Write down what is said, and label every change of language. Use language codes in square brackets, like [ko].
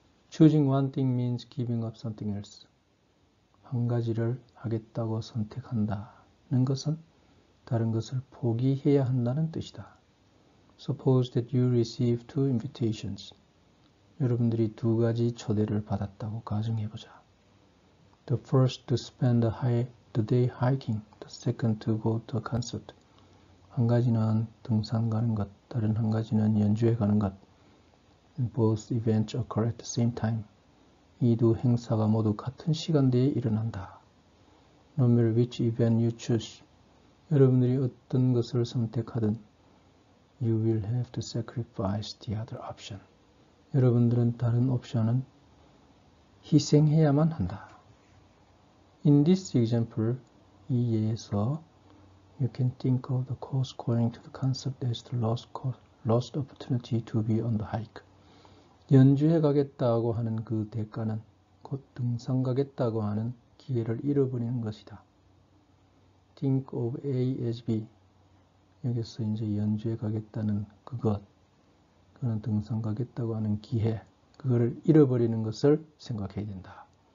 [en] Choosing one thing means giving up something else. [ko] 한 가지를 하겠다고 선택한다는 것은 다른 것을 포기해야 한다는 뜻이다. [en] Suppose that you receive two invitations. [ko] 여러분들이 두 가지 초대를 받았다고 가정해보자. [en] The first to spend the day hiking, the second to go to a concert. [ko] 한 가지는 등산 가는 것, 다른 한 가지는 연주회 가는 것. [en] Both events occur at the same time. [ko] 이두 행사가 모두 같은 시간대에 일어난다. [en] No matter which event you choose, [ko] 여러분들이 어떤 것을 선택하든, [en] you will have to sacrifice the other option. [ko] 여러분들은 다른 옵션은 희생해야만 한다. [en] In this example, [ko] 이 예에서, [en] you can think of the cost going to the concert as the lost opportunity to be on the hike. [ko] 연주회 가겠다고 하는 그 대가는 곧 등산 가겠다고 하는 기회를 잃어버리는 것이다. [en] Think of A as B. [ko] 여기서 이제 연주에 가겠다는 그것, 그는 등산 가겠다고 하는 기회, 그거를 잃어버리는 것을 생각해야 된다.